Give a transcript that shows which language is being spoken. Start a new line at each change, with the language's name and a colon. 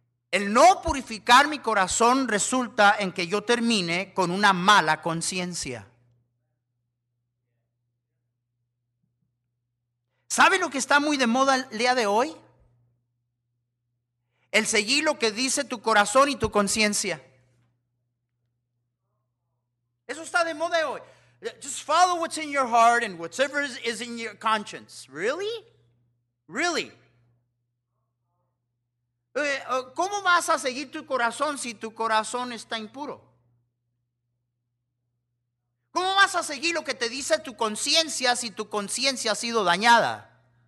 Spanish: El no purificar mi corazón resulta en que yo termine con una mala conciencia. ¿Sabe lo que está muy de moda el día de hoy? El seguir lo que dice tu corazón y tu conciencia. Eso está de moda hoy.
English: Just follow what's in your heart and whatever is in your conscience. Really? Really?
Spanish: ¿Cómo vas a seguir tu corazón si tu corazón está impuro? ¿Cómo vas a seguir lo que te dice tu conciencia si tu conciencia ha sido dañada?